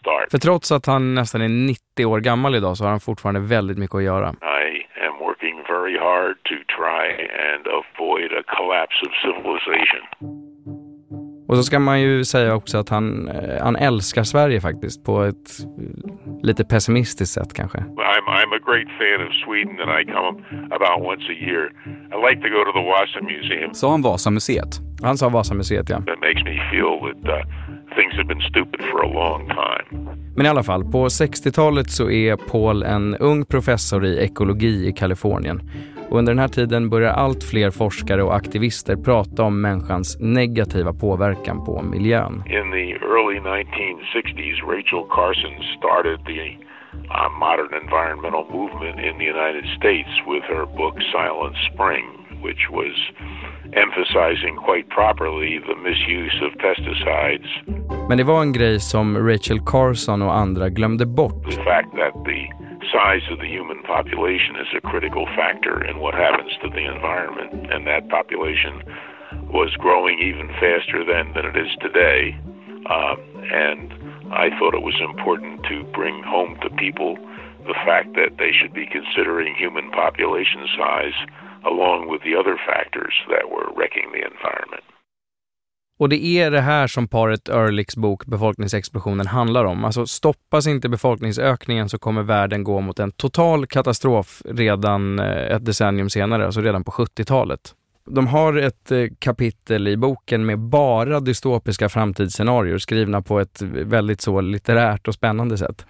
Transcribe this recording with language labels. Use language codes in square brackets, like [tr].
[sv] För trots att han nästan är 90 år gammal idag så har han fortfarande väldigt mycket att göra. [en] I am working very hard to try and avoid a collapse of civilization. [sv] Och så ska man ju säga också att han älskar Sverige faktiskt på ett lite pessimistiskt sätt kanske. [en] I'm a great fan of Sweden and I come about once a year. I like to go to the Vasa Museum. [sv] Sa han Vasamuseet? Han sa Vasamuseet, ja. [en] That makes me feel that things have been stupid for a long time. [sv] Men i alla fall, på 60-talet så är Paul en ung professor i ekologi i Kalifornien. Och under den här tiden börjar allt fler forskare och aktivister prata om människans negativa påverkan på miljön. [en] In the early 1960s, Rachel Carson started the modern environmental movement in the United States with her book Silent Spring, which was emphasizing quite properly the misuse of pesticides. [sv] Men det var en grej som Rachel Carson och andra glömde bort. [en] The fact that the size of the human population is a critical factor in what happens to the environment, and that population was growing even faster then than it is today. And I thought it was important to bring home to people the fact that they should be considering human population size along with the other factors that were wrecking the environment. [sv] Och det är det här som paret Ehrlichs bok Befolkningsexplosionen handlar om. Alltså stoppas inte befolkningsökningen så kommer världen gå mot en total katastrof redan ett decennium senare, alltså redan på 70-talet. De har ett kapitel i boken med bara dystopiska framtidsscenarier skrivna på ett väldigt så litterärt och spännande sätt.